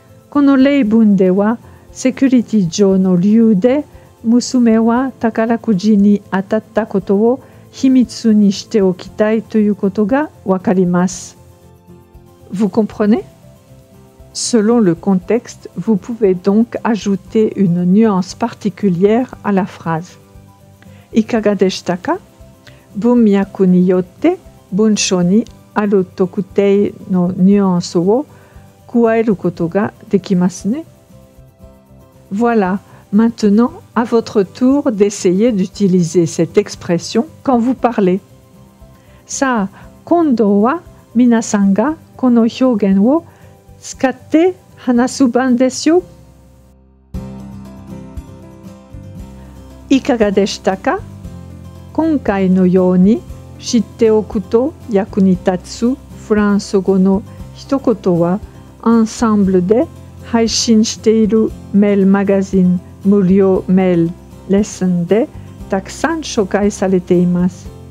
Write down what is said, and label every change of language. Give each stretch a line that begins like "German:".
Japanese: Kono leibun de wa, security jo no ryu de, musume wa takarakuji ni atatta koto wo,秘密にしておきたいということがわかります。
French: Vous comprenez? Selon le contexte, vous pouvez donc ajouter une nuance particulière à la phrase.
Japanese: いかがでしたか? 文脈によって文章にある特定のニュアンスを加えることができますね。
French: Voilà, maintenant,À votre tour d'essayer d'utiliser cette expression quand vous parlez.
Japanese: さあ、今度は皆さんがこの表現を使って話す番ですよ。いかがでしたか?今回のように知っておくと役に立つフランス語の一言は、アンサンブルで配信しているメールマガジン無料メールレッスンでたくさん紹介されています。